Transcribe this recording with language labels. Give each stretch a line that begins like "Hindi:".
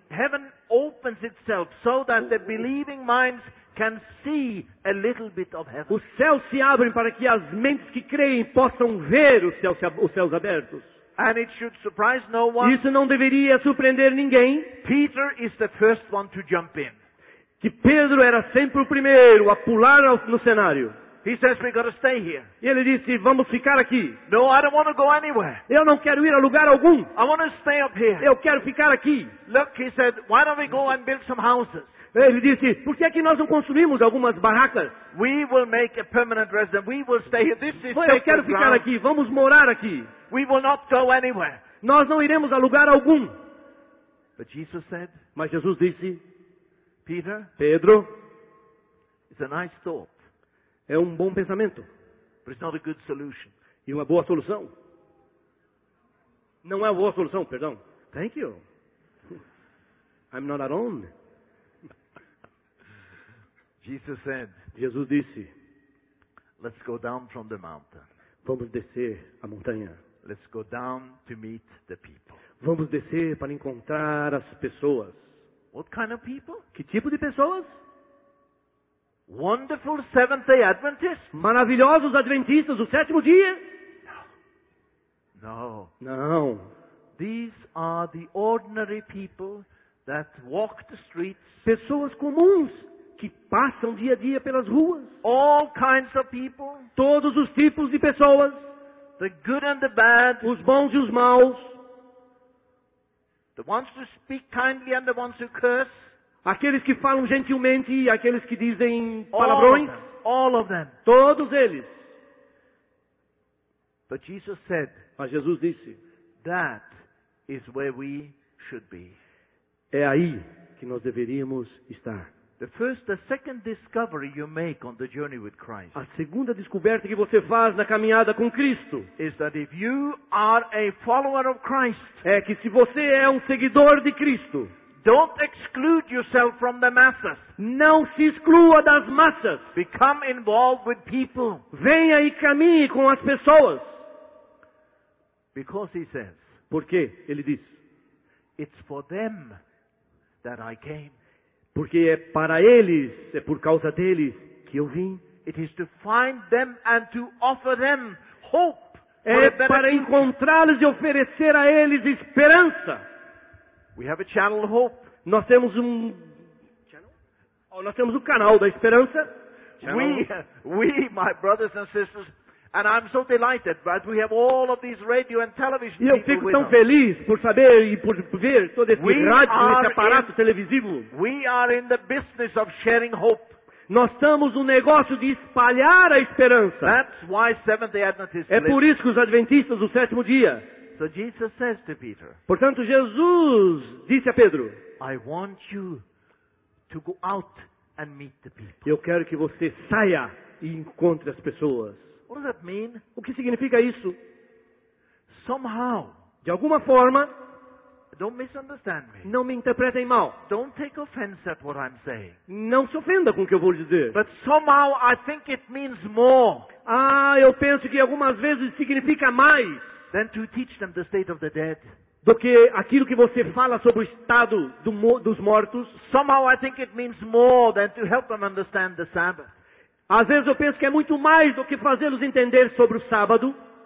English: Heaven opens itself so that the believing minds can see a little bit of heaven.
Portuguese: Os céus se abrem para que as mentes que creem possam ver os céus abertos.
English: And it should surprise no one.
Portuguese: Isso não deveria surpreender ninguém.
English: Peter is the first one to jump in.
Portuguese: Que Pedro era sempre o primeiro a pular no cenário.
English: He says we got to stay here.
Portuguese: E ele disse, vamos ficar aqui.
English: No, I don't want to go anywhere.
Portuguese: Eu não quero ir a lugar algum.
English: I want to stay up here.
Portuguese: Eu quero ficar aqui.
English: Look, he said, why don't we go and build some houses?
Portuguese: Ele disse, por que é que nós não construímos algumas barracas?
English: We will make a permanent residence. We will stay here. This is
Portuguese: eu quero ficar
English: ground.
Portuguese: Aqui. Vamos morar aqui.
English: We will not go anywhere.
Portuguese: Nós não iremos a lugar algum.
English: But Jesus said,
Portuguese: mas Jesus disse,
English: Peter,
Portuguese: Pedro,
English: it's a nice thought.
Portuguese: É um bom pensamento.
English: But it's not a good solution.
Portuguese: E uma boa solução. Não é uma boa solução, perdão.
English: Thank you. I'm not alone. Jesus said,
Portuguese: Jesus disse,
English: let's go down from the mountain.
Portuguese: Vamos descer a montanha.
English: Let's go down to meet the people.
Portuguese: Vamos descer para encontrar as pessoas.
English: What kind of people?
Portuguese: Que tipo de pessoas?
English: Wonderful Seventh-day Adventists?
Portuguese: Maravilhosos adventistas do sétimo dia?
English: No.
Portuguese: Não.
English: These are the ordinary people that walk the streets.
Portuguese: Pessoas comuns que passam dia a dia pelas ruas.
English: All kinds of people.
Portuguese: Todos os tipos de pessoas.
English: The good and the bad.
Portuguese: Os bons e os maus.
English: The ones who speak kindly and the ones who curse.
Portuguese: Aqueles que falam gentilmente e aqueles que dizem palavrões.
English: All of them.
Portuguese: Todos eles.
English: But Jesus said,
Portuguese: mas Jesus disse,
English: that is where we should be.
Portuguese: É aí que nós deveríamos estar.
English: The second discovery you make on the journey with Christ.
Portuguese: A segunda descoberta que você faz na caminhada com Cristo.
English: Is that if you are a follower of Christ.
Portuguese: É que se você é um seguidor de Cristo.
English: Don't exclude yourself from the masses.
Portuguese: Não se exclua das massas.
English: Become involved with people.
Portuguese: Venha e caminhe com as pessoas.
English: Because he says.
Portuguese: Porque ele diz.
English: It's for them that I came.
Portuguese: Porque é para eles, é por causa deles que eu vim.
English: It is to find them and to offer them hope.
Portuguese: É para encontrá-los e oferecer a eles esperança.
English: We have a channel of hope.
Portuguese: Nós temos um
English: channel.
Portuguese: Nós temos o canal da esperança.
English: We my brothers and sisters, and I'm so delighted that we have all of these radio and television.
Portuguese: E eu fico tão feliz por saber e por ver todo esse rádio, esse aparato televisivo.
English: We are in the business of sharing hope.
Portuguese: Nós estamos no negócio de espalhar a esperança.
English: That's why Seventh-day Adventists.
Portuguese: É por isso que os adventistas do sétimo dia
English: So Jesus says to Peter,
Portuguese: portanto, Jesus disse a Pedro,
English: I want you to go out and meet the people.
Portuguese: Eu quero que você saia e encontre as pessoas.
English: What does that mean?
Portuguese: O que significa isso?
English: Somehow,
Portuguese: de alguma forma,
English: don't misunderstand me.
Portuguese: Não me interpretem mal.
English: Don't take offense at what I'm saying.
Portuguese: Não se ofenda com o que eu vou lhe dizer.
English: But somehow I think it means more.
Portuguese: Ah, eu penso que algumas vezes significa mais.
English: Than to teach them the state of the dead.
Portuguese: Do que aquilo que você fala sobre o estado dos mortos.
English: Somehow I think it means more than to help them understand the Sabbath.
Portuguese: Às vezes eu penso que é muito mais do que fazê-los entender sobre o sábado.